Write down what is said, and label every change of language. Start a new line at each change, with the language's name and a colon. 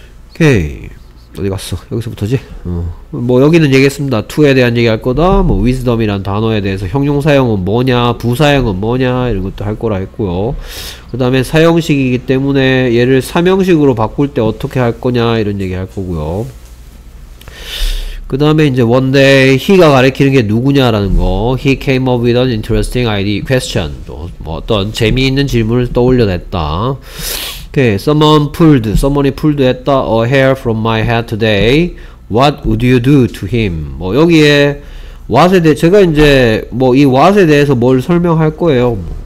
Korean: 오케이, 어디 갔어? 여기서부터지? 뭐 여기는 얘기했습니다. to에 대한 얘기할 거다. 뭐 wisdom이란 단어에 대해서 형용사형은 뭐냐, 부사형은 뭐냐 이런 것도 할 거라 했고요. 그 다음에 사형식이기 때문에 얘를 삼형식으로 바꿀 때 어떻게 할 거냐 이런 얘기할 거고요. 그 다음에 이제 one day he가 가리키는 게 누구냐라는 거.
English: he came up with an interesting idea question.
Korean: 뭐 어떤 재미있는 질문을 떠올려냈다.
English: Okay, someone pulled, someone pulled a hair from my head today. What would you do to him?
Korean: 뭐 여기에 what에 대해 제가 이제 뭐 이 what에 대해서 뭘 설명할 거예요.